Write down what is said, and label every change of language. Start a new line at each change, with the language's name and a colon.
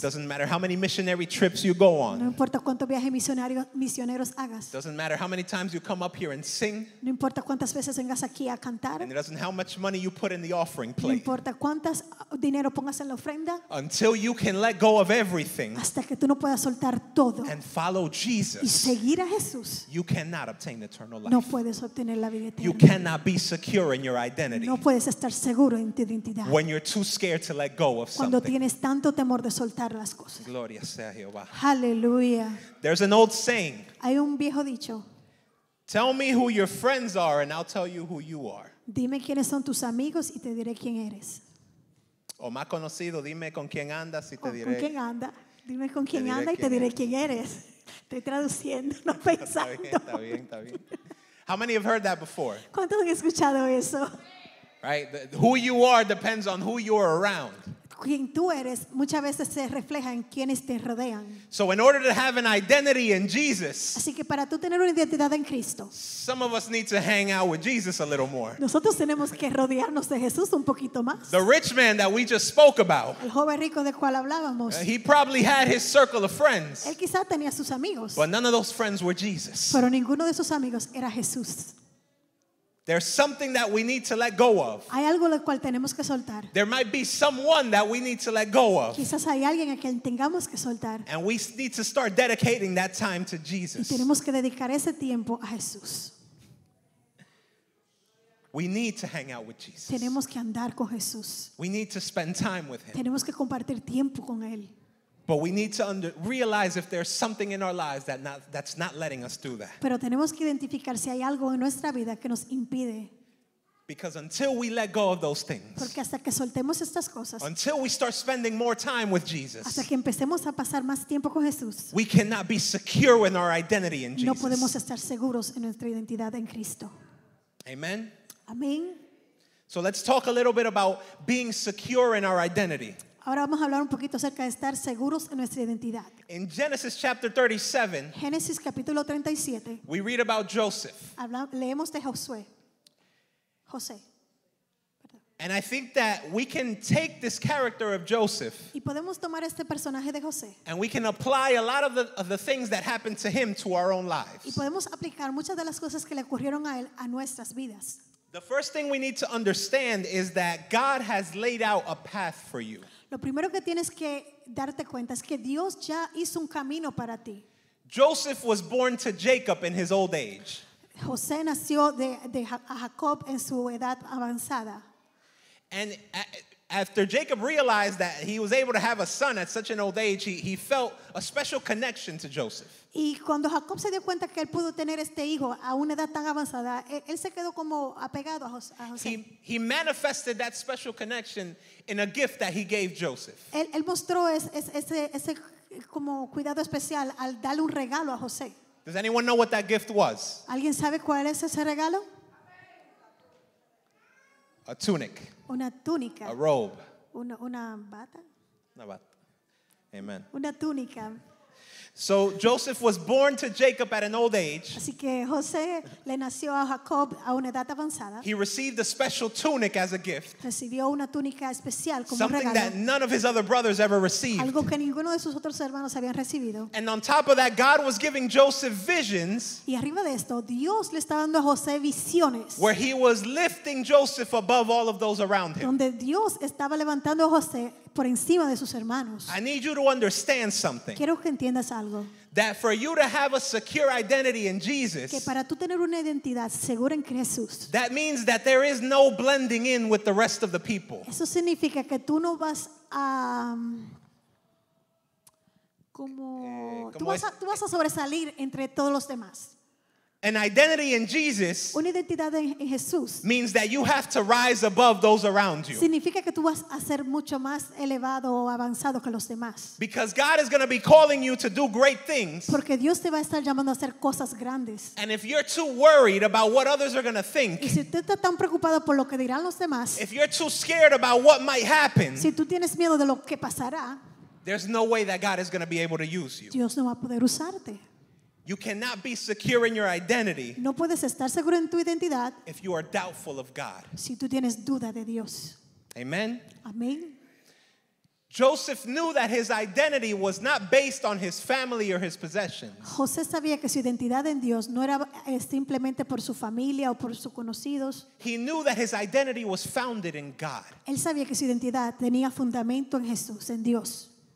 English: Doesn't matter how many missionary trips you go on.
Spanish: No importa cuántos viajes misioneros hagas.
English: Doesn't matter how many times you come up here and sing.
Spanish: No importa cuántas veces vengas aquí a cantar.
English: And it doesn't how much money you put in the offering plate.
Spanish: No importa cuántas dinero pongas en la ofrenda.
English: Until you can let go of everything.
Spanish: Hasta que tú no puedas soltar todo.
English: And follow Jesus.
Spanish: Y seguir a Jesús.
English: You cannot obtain eternal life.
Spanish: No puedes obtener la vida eterna.
English: You cannot be secure in your identity.
Spanish: No puedes estar seguro en tu identidad.
English: When you're too scared to let go of something.
Spanish: Cuando tienes tanto temor de soltar las cosas. Gloria sea Jehová.
English: Hallelujah. There's an old saying.
Spanish: Hay un viejo dicho.
English: Tell me who your friends are and I'll tell you who you are.
Spanish: Dime quiénes son tus amigos y te diré quién eres. O más conocido, dime con quién andas y te diré. ¿Con quién anda? Dime con quién anda y te diré quién eres. Estoy traduciendo, no pensando. Está bien.
English: How many have heard that before?
Spanish: ¿Cuántos han escuchado eso?
English: Right? Who you are depends on who you are around.
Spanish: Quien tú eres muchas veces se refleja en quienes te rodean.
English: So in order to have an identity in Jesus,
Spanish: así que para tú tener una identidad en Cristo,
English: some of us need to hang out with Jesus a little more.
Spanish: Nosotros tenemos que rodearnos de Jesús un poquito más.
English: The rich man that we just spoke about,
Spanish: el joven rico del cual hablábamos,
English: he probably had his circle of friends,
Spanish: él quizá tenía sus amigos,
English: but none of those friends were Jesus.
Spanish: Pero ninguno de sus amigos era Jesús.
English: There's something that we need to let go of.
Spanish: Hay algo lo cual tenemos que soltar.
English: There might be someone that we need to let go of.
Spanish: Quizás hay alguien a quien tengamos que soltar.
English: And we need to start dedicating that time to Jesus.
Spanish: Y tenemos que dedicar ese tiempo a Jesús.
English: We need to hang out with Jesus.
Spanish: Tenemos que andar con Jesús.
English: We need to spend time with him.
Spanish: Tenemos que compartir tiempo con él.
English: But we need to realize if there's something in our lives that's not letting us do that.
Spanish: Pero tenemos que identificar si hay algo en nuestra vida que nos impide.
English: Because until we let go of those things,
Spanish: porque hasta que soltemos estas cosas,
English: until we start spending more time with Jesus,
Spanish: hasta que empecemos a pasar más tiempo con Jesús,
English: we cannot be secure in our identity in Jesus.
Spanish: No podemos estar seguros en nuestra identidad en Cristo.
English: Amen.
Spanish: Amén.
English: So let's talk a little bit about being secure in our identity.
Spanish: Ahora vamos a hablar un poquito acerca de estar seguros en nuestra identidad.
English: In Genesis chapter 37,
Spanish: Génesis capítulo 37,
English: we read about Joseph.
Spanish: Leemos de Josué. José.
English: And I think that we can take this character of Joseph,
Spanish: y podemos tomar este personaje de José,
English: and we can apply a lot of the things that happened to him to our own lives.
Spanish: Y podemos aplicar muchas de las cosas que le ocurrieron a él a nuestras vidas.
English: The first thing we need to understand is that God has laid out a path for you.
Spanish: Lo primero que tienes que darte cuenta es que Dios ya hizo un camino para ti.
English: Joseph was born to Jacob in his old age.
Spanish: José nació de Jacob en su edad avanzada.
English: And after Jacob realized that he was able to have a son at such an old age, he felt a special connection to Joseph.
Spanish: Y cuando Jacob se dio cuenta que él pudo tener este hijo a una edad tan avanzada, él se quedó como apegado a José.
English: He manifested that special connection in a gift that he gave Joseph.
Spanish: Él mostró ese como cuidado especial al darle un regalo a José.
English: Does anyone know what that gift was?
Spanish: ¿Alguien sabe cuál es ese regalo?
English: A tunic.
Spanish: Una túnica.
English: A robe.
Spanish: Una bata. Una bata. Amen. Una túnica.
English: So Joseph was born to Jacob at an old age.
Spanish: Así que José le nació a Jacob a una edad avanzada.
English: He received a special tunic as a gift.
Spanish: Recibió una túnica especial como
English: something
Spanish: un regalo.
English: Something that none of his other brothers ever received.
Spanish: Algo que ninguno de sus otros hermanos habían recibido.
English: And on top of that, God was giving Joseph visions.
Spanish: Y arriba de esto, Dios le estaba dando a José visiones.
English: Where he was lifting Joseph above all of those around him.
Spanish: Donde Dios estaba levantando a José por encima de sus hermanos.
English: I need you to understand something.
Spanish: Quiero que entiendas algo.
English: That for you to have a secure identity in Jesus,
Spanish: que para tú tener una identidad segura en Jesús,
English: that means that there is no blending in with the rest of the people.
Spanish: Eso significa que tú no vas a tú vas a sobresalir entre todos los demás.
English: An identity in Jesus,
Spanish: una identidad en Jesús,
English: means that you have to rise above those around you.
Spanish: Significa que tú vas a ser mucho más elevado o avanzado que los demás.
English: Because God is going to be calling you to do great things.
Spanish: Porque Dios te va a estar llamando a hacer cosas grandes.
English: And if you're too worried about what others are going to think,
Spanish: y si tú estás tan preocupado por lo que dirán los demás,
English: if you're too scared about what might happen,
Spanish: si tú tienes miedo de lo que pasará,
English: there's no way that God is going to be able to use you.
Spanish: Dios no va a poder usarte.
English: You cannot be secure in your identity.
Spanish: No puedes estar seguro en tu identidad.
English: If you are doubtful of God.
Spanish: Si tú tienes duda de Dios.
English: Amen.
Spanish: Amén.
English: Joseph knew that his identity was not based on his family or his possessions.
Spanish: José sabía que su identidad en Dios no era simplemente por su familia o por sus conocidos.
English: He knew that his identity was founded in God.
Spanish: Él sabía que su identidad tenía fundamento en Jesús, en Dios.